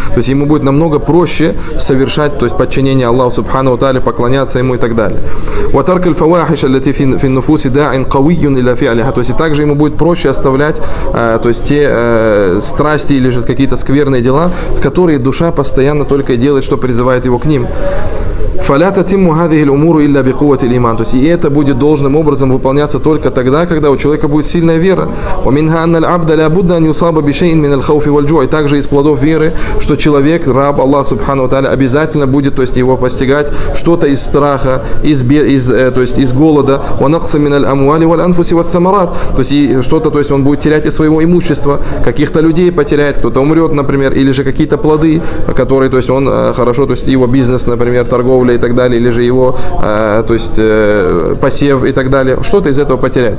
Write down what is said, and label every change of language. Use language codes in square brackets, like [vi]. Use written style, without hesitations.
[ru] То есть ему будет намного проще совершать, то есть, подчинение Аллаху Субхану ва Тааля, поклоняться ему и так далее. [ar] وترك الفواحش التي في النفوس داع قوي الى فعلها. [ru] То есть также ему будет проще оставлять, то есть, те страсти или же какие-то скверные дела, которые душа постоянно только делает, что призывает его к ним. [ar] فلا تتم هذه الامور الا بقوه الايمان. [ru] То есть и это будет должным образом выполняться только тогда, когда у человека будет сильная вера. [ar] ومنها ان العبد لا بد ان يصاب بشيء من الخوف والجوع. [ru] Также из плодов веры, что человек, раб Аллаха Субхана ва Тааля, обязательно будет, то есть, его постигать что-то из страха, из голода, [ar] ونقص من الاموال والانفس والثمرات. [ru] То есть и что-то, то есть он будет терять из своего имущества, каких-то людей потеряет, кто-то умрет, например, или же какие-то плоды, которые, то есть, он хорошо, то есть, его бизнес, например, торговля и так далее, или же его, то есть, посев и так далее, что-то из этого потеряет.